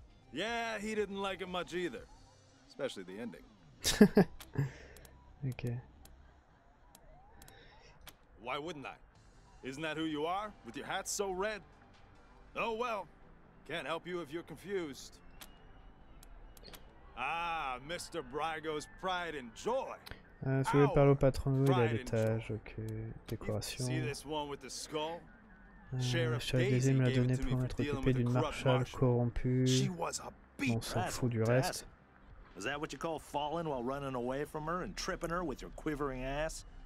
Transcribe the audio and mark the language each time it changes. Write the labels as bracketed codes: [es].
[en] Yeah, he didn't like it much either. Especially the ending. Okay. Why wouldn't I? Isn't that who you are? With your hat so red? Oh well, can't help you if you're confused. Ah, Mr. Brigo's pride and joy. [fr] Je voulais parler au patron de l'étage, ok. Décoration. [en] See this one with the skull? [fr] Sheriff Daisy me l'a donné pour être occupé d'une marshal corrompue. On s'en fout du reste. [en] Is that what you call falling while running away from her and tripping her with your quivering ass?